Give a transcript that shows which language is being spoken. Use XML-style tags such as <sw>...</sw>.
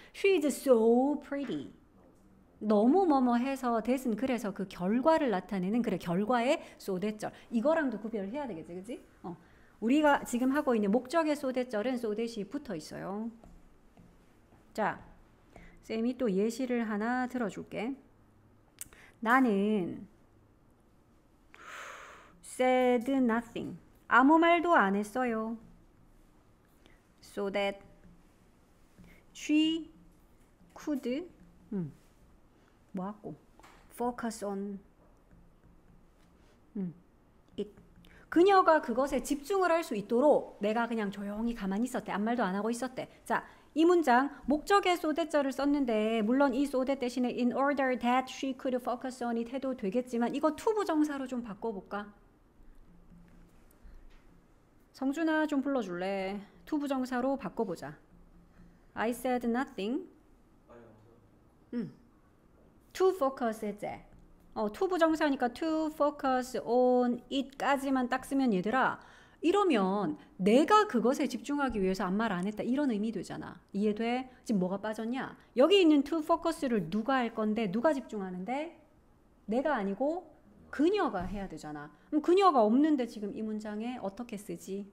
<en>She's so pretty</en> <ko>너무 뭐뭐해서 that은 그래서 그 결과를 나타내는 그래 결과의 so that절 이거랑도 구별을 해야 되겠지 그지? 우리가 지금 하고 있는 목적의 so that절은 so that이 붙어 있어요 자, 쌤이 또 예시를 하나 들어줄게. 나는</ko> <en>said nothing.</en> <ko>아무 말도 안 했어요.</ko> <en>So that she could</en> <ko>뭐하고</ko> <en>focus on it.</en> <ko>그녀가 그것에 집중을 할수 있도록 내가 그냥 조용히 가만히 있었대. 아무 말도 안 하고 있었대. 자, 이 문장 목적의 so that절을 썼는데 물론 이 so that 대신에</ko> <en>in order that she could focus on it</en> <ko>해도 되겠지만 이거 to 부정사로 좀 바꿔볼까? 성준아 좀 불러줄래? to 부정사로 바꿔보자.</ko> <en>I said nothing. To focus</en> <ko>했지? 투부 정사니까</ko> <en>to focus on it</en> <ko>까지만 딱 쓰면 얘들아 이러면 내가 그것에 집중하기 위해서 아무 말안 했다 이런 의미 되잖아. 이해돼? 지금 뭐가 빠졌냐? 여기 있는 to focus를 누가 할 건데 누가 집중하는데? 내가 아니고 그녀가 해야 되잖아. 그럼 그녀가 없는데 지금 이 문장에 어떻게 쓰지?</ko>